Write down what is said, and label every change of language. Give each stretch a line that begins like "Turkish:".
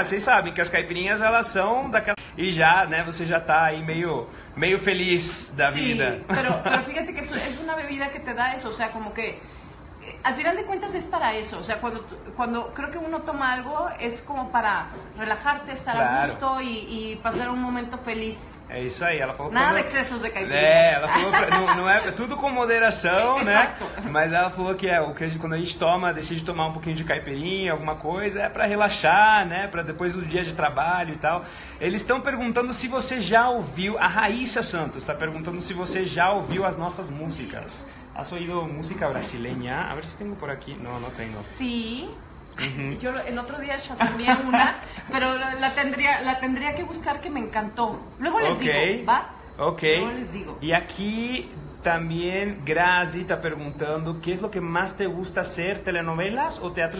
Portuguese: Vocês sabem que as caipirinhas, elas são daquela... E já, né, você já tá aí meio, meio feliz da vida.
Spanish: Sí, pero fíjate que es una bebida que te da eso, o sea, como que... Al final de cuentas es para eso, o sea, cuando creo que uno toma algo es como para relajarte, estar claro, a gusto y pasar un momento feliz.
Portuguese: É isso aí, ela falou... Nada quando... de excessos de caipirinha. É, ela falou, pra... não é tudo com moderação, exato, né? Mas ela falou que é, o que a gente, quando a gente toma, decide tomar um pouquinho de caipirinha, alguma coisa, é pra relaxar, né? Pra depois do dia de trabalho e tal. Eles estão perguntando se você já ouviu, a Raíssa Santos está perguntando se você já ouviu as nossas músicas. Has ouvido música brasileira? A ver se tenho por aqui. Não, não tenho. Sim.
Spanish: Yo el otro día chasmé una, pero la tendría que buscar, que me encantó. Luego les okay. digo, ¿va? Ok. Luego les digo. Y aquí también Grazi está preguntando, ¿qué es lo que más te gusta hacer, telenovelas o teatro?